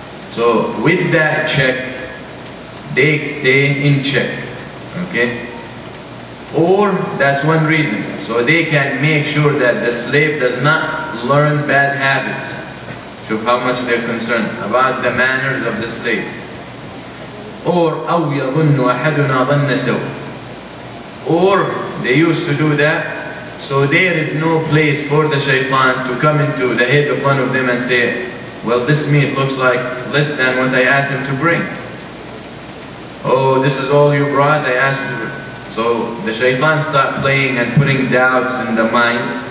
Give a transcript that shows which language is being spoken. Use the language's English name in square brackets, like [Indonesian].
[English] So with that check, they stay in check, okay? Or that's one reason. So they can make sure that the slave does not learn bad habits. Show how much they're concerned about the manners of the slave. [Arabic] Or أو يظن أحدنا ظن سوء. [English] Or they used to do that. So there is no place for the shaitan to come into the head of one of them and say, well, this meat looks like less than what I asked him to bring. Oh, this is all you brought, I asked you. So the shaitan start playing and putting doubts in the mind.